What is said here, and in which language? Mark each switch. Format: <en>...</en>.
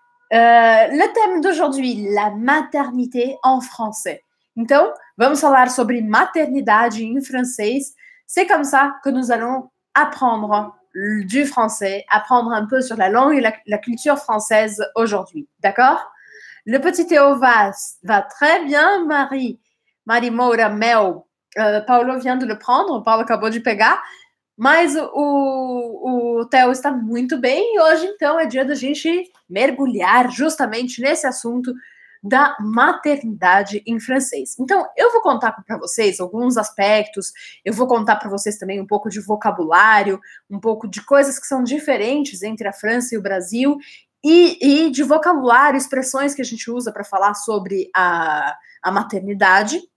<fr>Le thème d'aujourd'hui, la maternité en français.</fr> <pt>Então, vamos falar sobre maternidade em francês.</pt> <fr>C'est comme ça que nous allons apprendre du français, apprendre un peu sur la langue et la culture française aujourd'hui. D'accord? Le petit Théo va très bien, Marie. Marie Moura, Mel. Paulo vient de le prendre,</fr> <pt>Paulo acabou de pegar. Mas o Théo está muito bem. E hoje, então, é dia da gente mergulhar justamente nesse assunto da maternidade em francês. Então, eu vou contar para vocês alguns aspectos, eu vou contar para vocês também um pouco de vocabulário, um pouco de coisas que são diferentes entre a França e o Brasil, e de vocabulário, expressões que a gente usa para falar sobre a maternidade.</pt>